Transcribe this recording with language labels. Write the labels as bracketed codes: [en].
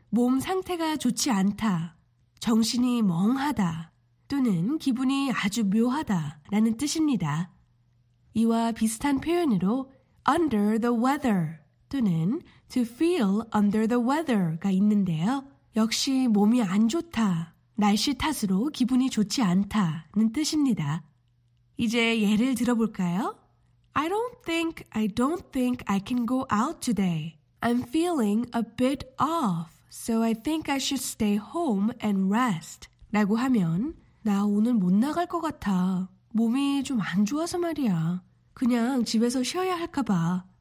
[ko] 몸 상태가 좋지 않다, 정신이 멍하다 또는 기분이 아주 묘하다라는 뜻입니다. 이와 비슷한 표현으로 [en] under the weather 또는 to feel under the weather가 [ko] 있는데요. 역시 몸이 안 좋다, 날씨 탓으로 기분이 좋지 않다는 뜻입니다. 이제 예를 들어볼까요? [en] I don't think I can go out today. I'm feeling a bit off, So I think I should stay home and rest. [ko] 라고 하면 나 오늘 못 나갈 것 같아. 몸이 좀 안 좋아서 말이야. 그냥 집에서 쉬어야 할까 봐.